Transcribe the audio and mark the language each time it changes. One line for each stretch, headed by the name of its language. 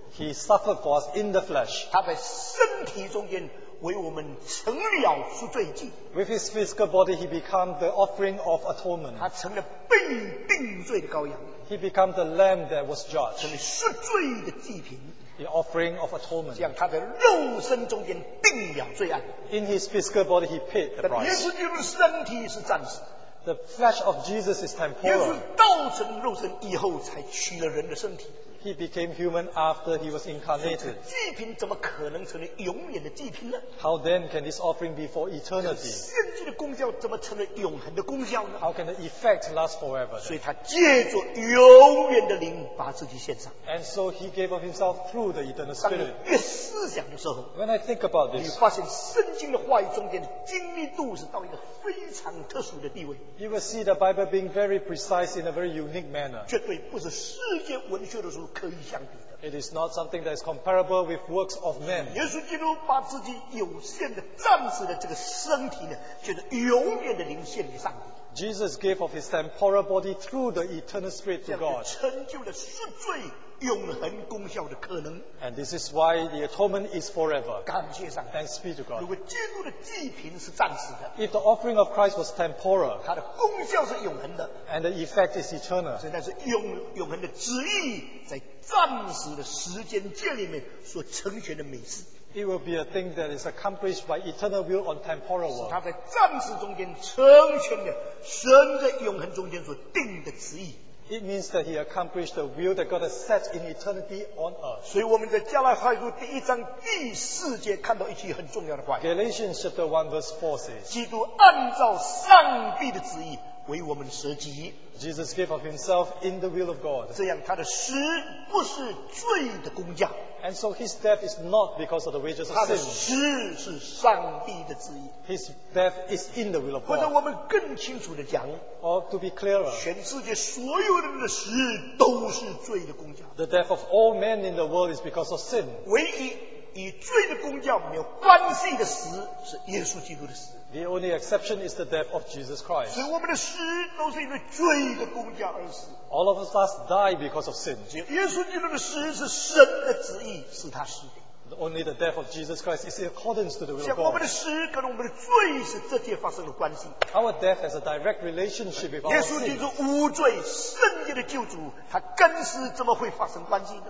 English: He suffered for us in the flesh.
Chinese: 他在身体中间为我们成了赎罪祭。
English: With his physical body, he became the offering of atonement.
Chinese: 他成了被定罪的羔羊。
English: He became the lamb that was judged.
Chinese: 成了赎罪的祭品。
English: The offering of atonement.
Chinese: 这样他在肉身中间定了罪案。
English: In his physical body, he paid the price.
Chinese: 耶稣基督身体是暂时。
English: The flesh of Jesus is temporal.
Chinese: 耶稣道成肉身以后才取了人的身体。
English: He became human after he was incarnated.
Chinese: 祭品怎么可能成了永远的祭品呢
English: ？How then can this offering be for eternity？
Chinese: 献祭的功效怎么成了永恒的功效呢
English: ？How can the effect last forever？
Chinese: 所以他借着永远的灵把自己献上。
English: And so he gave of himself through the eternal spirit.
Chinese: 当你越思想的时候
English: ，When I think about this，
Chinese: 你发现圣经的话语中间的精密度是到一个非常特殊的地位。
English: You will see the Bible being very precise in a very unique manner.
Chinese: 绝对不是世界文学的书。可以相比的。
English: It is not something that is comparable with works of men.
Chinese: 耶稣基督把自己有限的、暂时的这个身体呢，就是永远的灵献给上帝。
English: Jesus gave of his temporal body through the eternal spirit to God.
Chinese: 成就了赎罪永恒功效的可能。
English: And this is why the atonement is forever.
Chinese: 感谢上帝。
English: Thanks be to God.
Chinese: 如果基督的祭品是暂时的。
English: If the offering of Christ was temporal.
Chinese: 它的功效是永恒的。
English: And the effect is eternal.
Chinese: 所以那是永恒的旨意在暂时的时间界里面所成全的美事。
English: It will be a thing that is accomplished by eternal will on temporal world.
Chinese: 是他在暂时中间成全的神在永恒中间所定的旨意。
English: It means that he accomplished the will that God has set in eternity on earth.
Chinese: 所以我们在加拉太书第一章第四节看到一句很重要的话。
English: Galatians chapter 1 verse 4 says,
Chinese: 基督按照上帝的旨意为我们舍己。
English: Jesus gave of himself in the will of God.
Chinese: 这样他的死不是罪的工价。
English: And so his death is not because of the wages of sin.
Chinese: 他的死是上帝的旨意。
English: His death is in the will of God.
Chinese: 或者我们更清楚的讲。
English: Or to be clearer.
Chinese: 全世界所有人的死都是罪的工价。
English: The death of all men in the world is because of sin.
Chinese: 唯一与罪的工价没有关系的死是耶稣基督的死。
English: The only exception is the death of Jesus Christ.
Chinese: 所以我们的死都是因为罪的工价而死。
English: All of us die because of sin.
Chinese: 只有耶稣基督的死是神的旨意，是他死的。
English: Only the death of Jesus Christ is in accordance to the will of God.
Chinese: 像我们的死跟我们的罪是直接发生了关系。
English: Our death has a direct relationship with our sin.
Chinese: 耶稣基督无罪，圣洁的救主，他跟死怎么会发生关系呢？